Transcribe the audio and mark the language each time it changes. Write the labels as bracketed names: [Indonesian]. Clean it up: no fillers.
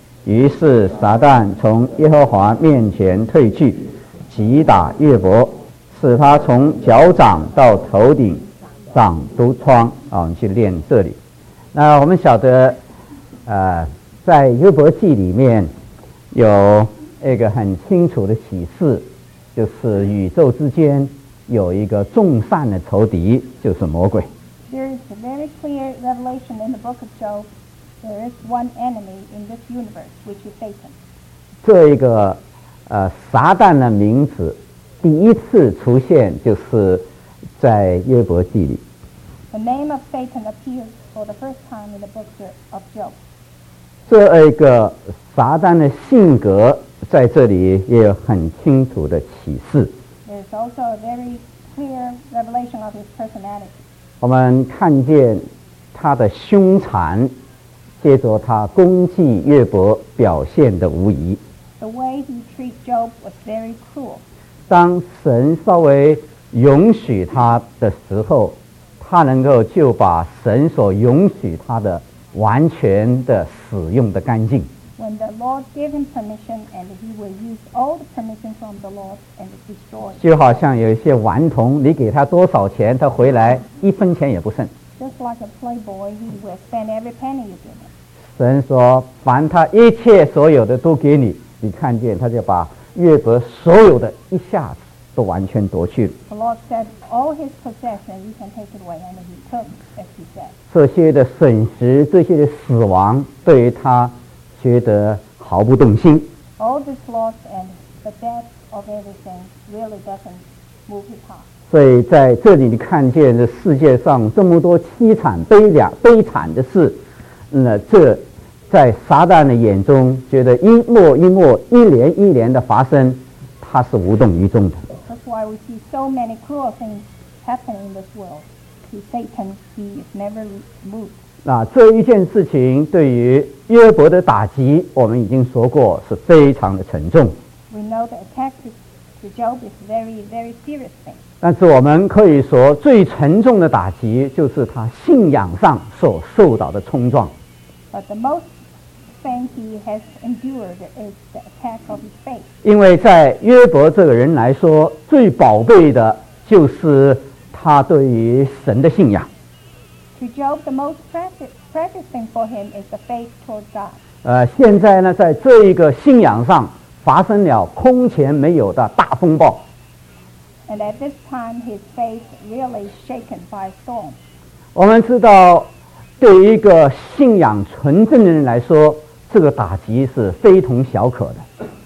[Chinese] 于是撒旦从耶和华面前退去，击打约伯，使他从脚掌到头顶长毒疮。我们去练这里。那我们晓得在约伯记里面有一个很清楚的启示，就是宇宙之间有一个众善的仇敌，就是魔鬼。 [English] There is a very clear revelation in the book of Job. There is one enemy in this universe, which is Satan. [Chinese] 这一个撒旦的名字第一次出现就是在约伯记里。 [English] The name of Satan appears for the first time in the book of Job. [Chinese] 这一个撒旦的性格在这里也有很清楚的启示。 [English] There's also a very clear revelation of his personality. [Chinese] 我们看见他的凶残，借着他攻击约伯表现的无疑。 [English] The way he treats Job was very cruel. [Chinese] 当神稍微允许他的时候，他能够就把神所允许他的完全的使用的干净。 [English] When the Lord gave him permission, and he will use all the permission from the Lord and destroy. [Chinese] 就好像有一些顽童，你给他多少钱，他回来一分钱也不剩。 [English] Just like a playboy, he will spend every penny you give him. [Chinese] 神说，凡他一切所有的都给你，你看见他就把约伯所有的一下子都完全夺去了。 [English] The Lord said, all his possession, you can take it away, and he took, as he said. [Chinese] 这些的损失，这些的死亡，对于他觉得毫不动心。 [English] All this loss and the death of everything really doesn't move his heart. [Chinese] 所以在这里你看见这世界上这么多凄惨悲惨的事，那这在撒旦的眼中觉得一幕一幕一连一连的发生，他是无动于衷的。 [English] That's why we see so many cruel things happening in this world. Satan, he is never moved. [Chinese] 这一件事情对于约伯的打击，我们已经说过是非常的沉重。 [English] We know the attack to Job is very, very serious thing. [Chinese] 但是我们可以说最沉重的打击就是他信仰上所受到的冲撞。 [English] But the most thing he has endured is the attack of his faith. [Chinese] 因为在约伯这个人来说，最宝贝的就是他对于神的信仰。 [English] To Job, the most precious thing for him is the faith toward God. [Chinese] 现在呢，在这一个信仰上发生了空前没有的大风暴。 [English] And at this time, his faith really shaken by a storm. [Chinese] 我们知道。对于一个信仰纯正的人来说，这个打击是非同小可的。